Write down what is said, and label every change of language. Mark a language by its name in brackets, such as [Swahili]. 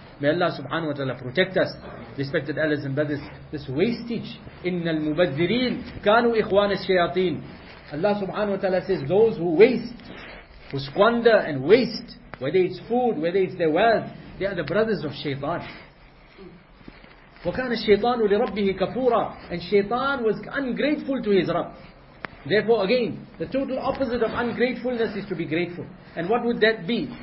[English] May Allah subhanahu wa ta'ala protect us, respected elders and brothers. This wastage, [Arabic] إِنَّ الْمُبَذِّرِينَ كَانُوا إِخْوَانَ الشَّيَاطِينَ. [English] Allah subhanahu wa ta'ala says, those who waste, who squander and waste, whether it's food, whether it's their wealth, they are the brothers of shaitan. [Arabic] وَكَانَ الشَّيْطَانُ لِرَبِّهِ كَفُورًا. [English] And shaitan was ungrateful to his Rabb. Therefore again, the total opposite of ungratefulness is to be grateful. And what would that be?